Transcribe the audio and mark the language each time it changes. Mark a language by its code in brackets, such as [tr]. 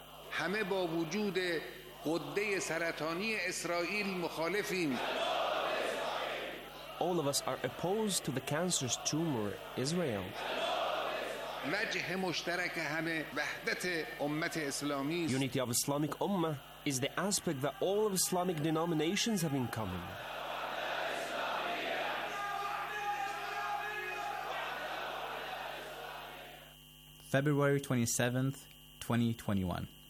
[fa] همه با وجود قده سرطانی اسرائیل مخالفیم. [en] All of us are opposed to the cancerous tumor Israel. [fa] وجه مشترک همه وحدت امت اسلامی. [en] Unity of Islamic Ummah is the aspect that all of Islamic denominations have in common. February 27th, 2021.